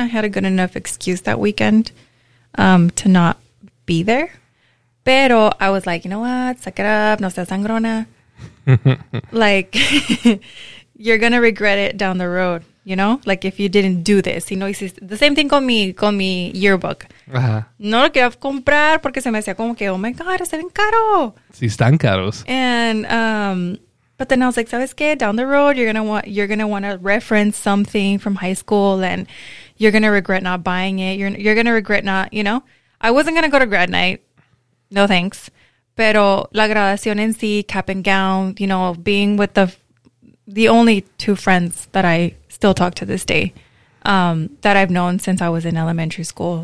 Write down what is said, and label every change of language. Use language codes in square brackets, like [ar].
[en] I had a good enough excuse that weekend to not be there. [es] Pero [en] I was like, you know what? Suck it up. [es] No seas sangrona. [en] Like, you're going to regret it down the road, you know? Like, if you didn't do this. You know, the same thing [es] con mi [en] yearbook. [es] No lo quería comprar porque se me hacía como que, [en] oh my God, [es] está bien caro. Sí, están caros. [en] And, but then I was like, [es] ¿sabes qué? [en] Down the road, you're gonna want to reference something from high school, and you're gonna regret not buying it. You're gonna regret not, you know. I wasn't gonna go to grad night, no thanks. [es] Pero la graduación en sí, [en] cap and gown, you know, being with the only two friends that I still talk to this day, that I've known since I was in elementary school.